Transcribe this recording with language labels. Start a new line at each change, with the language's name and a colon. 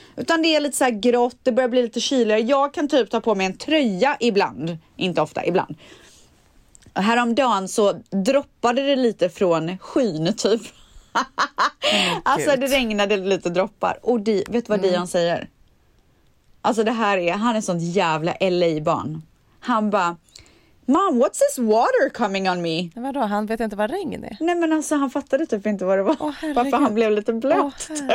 Swedish: Utan det är lite så här grått, det börjar bli lite kyligare. Jag kan typ ta på mig en tröja ibland. Inte ofta, ibland. Och häromdagen så droppade det lite från skyn typ. Alltså det regnade lite droppar. Och vet du vad Dion säger? Alltså det här är, han är sånt jävla LA-barn. Han bara...
English: Mom, what's this water coming on me?
Swedish: Vadå, han vet inte vad regn är. Nej, men alltså han fattade typ inte vad det var. Varför han blev lite blöt.